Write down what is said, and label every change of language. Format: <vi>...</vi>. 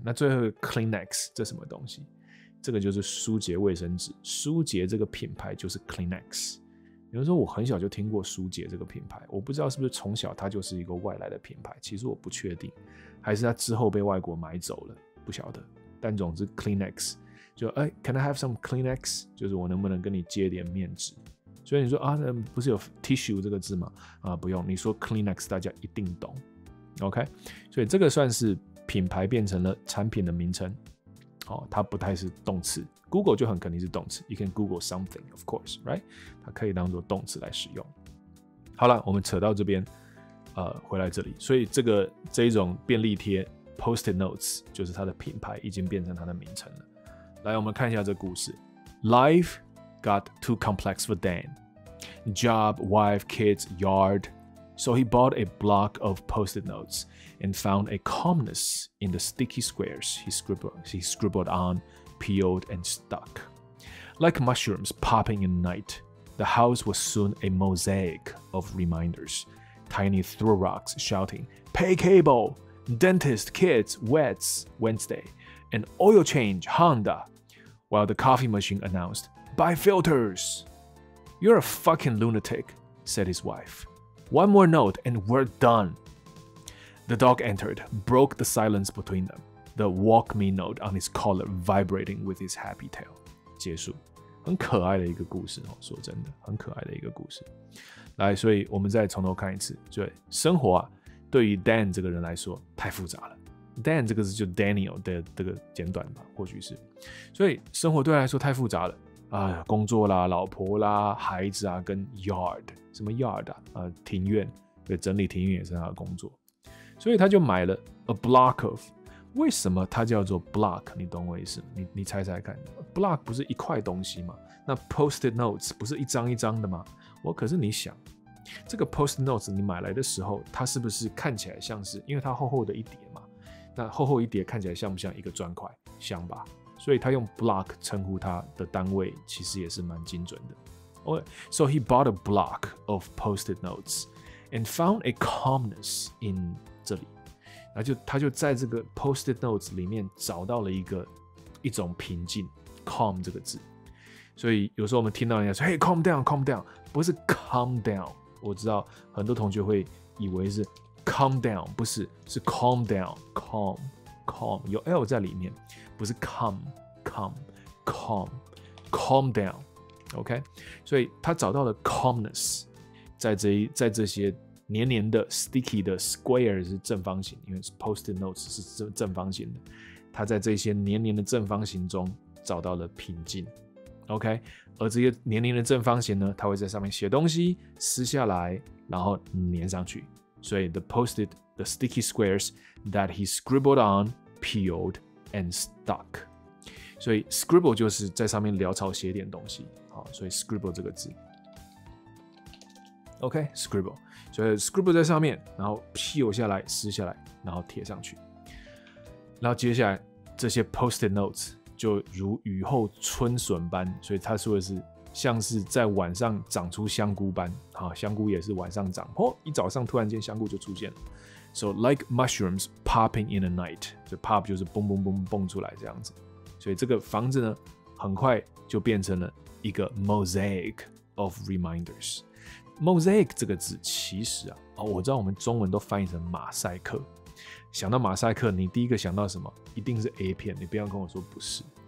<zh>那最后 Kleenex 这什么东西？这个就是舒洁卫生纸，舒洁这个品牌就是 Kleenex。有人说我很小就听过舒洁这个品牌，我不知道是不是从小它就是一个外来的品牌，其实我不确定，还是它之后被外国买走了，不晓得。但总之</zh> <en>Kleenex</en> <zh>就哎</zh> <en>，Can I have some Kleenex？</en> <zh>就是我能不能跟你借点面纸？所以你说啊，那不是有 tissue 这个字吗？啊，不用，你说 Kleenex 大家一定懂。OK， 所以这个算是品牌变成了产品的名称。哦，它不太是动词。</zh> <en>Google</en> <zh>就很肯定是动词。</zh> <en>You can Google something, of course, right?</en> <zh>它可以当作动词来使用。好了，我们扯到这边，回来这里。所以这一种便利贴 Post-it Notes 就是它的品牌已经变成它的名称了。来，我们看一下这故事。</zh> <en>Life got too complex for Dan. Job, wife, kids, yard. So he bought a block of Post-it Notes. And found a calmness in the sticky squares he scribbled on, peeled and stuck. Like mushrooms popping in night, the house was soon a mosaic of reminders. Tiny throw rocks shouting, pay cable, dentist, kids, wets, Wednesday, and oil change, Honda. While the coffee machine announced, buy filters. You're a fucking lunatic, said his wife. One more note and we're done. The dog entered, broke the silence between them. The walk me note on his collar vibrating with his happy tail.</en> <zh>结束，很可爱的一个故事哦。说真的，很可爱的一个故事。来，所以我们再从头看一次。对，生活啊，对于 Dan 这个人来说太复杂了。 Dan 这个字就 Daniel 的这个简短吧，或许是。所以生活对他来说太复杂了啊、工作啦、老婆啦、孩子啊，跟 yard 什么 yard 啊，庭院，对，整理庭院也是他的工作。所以他就买了</zh> <en>a block of，</en> <zh>为什么他叫做 block？ 你懂我意思？你猜猜看 ，block 不是一块东西吗？那 post-it notes 不是一张一张的吗？我可是你想，这个 post-it notes 你买来的时候，它是不是看起来像是，因为它厚厚的一叠嘛？那厚厚一叠看起来像不像一个砖块？像吧？所以他用 block 称呼它的单位，其实也是蛮精准的。</zh> <en>Okay, so he bought a block of post-it notes and found a calmness in。</en> <zh>这里，然后他就在这个 post-it notes 里面找到了一种平静 ，calm 这个字。所以有时候我们听到人家说</zh> <en>"Hey, calm down, calm down"，</en> <zh>不是 calm down。我知道很多同学会以为是 calm down， 不是，是 calm down, calm, calm， 有 L 在里面，不是 calm, calm, calm, calm down。 OK， 所以他找到了 calmness， 在这些。黏黏的 sticky 的 square 是正方形，因为 post-it notes 是正方形的，他在这些黏黏的正方形中找到了平静。 OK， 而这些黏黏的正方形呢，他会在上面写东西，撕下来然后粘上去，所以</zh> <en>the sticky squares that he scribbled on peeled and stuck。</en> <zh>所以 scribble 就是在上面潦草写点东西，好，所以 scribble 这个字。 OK， scribble，所以 scribble 在上面，然后 peel 下来，撕下来，然后贴上去。然后接下来这些 post-it notes 就如雨后春笋般，所以他说的是像是在晚上长出香菇般，香菇也是晚上长，哦，一早上突然间香菇就出现了。</zh> <en>So like mushrooms popping in the night，</en> <zh>就 pop 就是蹦蹦蹦蹦出来这样子。所以这个房子呢，很快就变成了一个</zh> <en>mosaic of reminders。</en> <zh>Mosaic 这个字其实啊，哦，我知道我们中文都翻译成马赛克。想到马赛克，你第一个想到什么？一定是 A 片。你不要跟我说不是。</zh>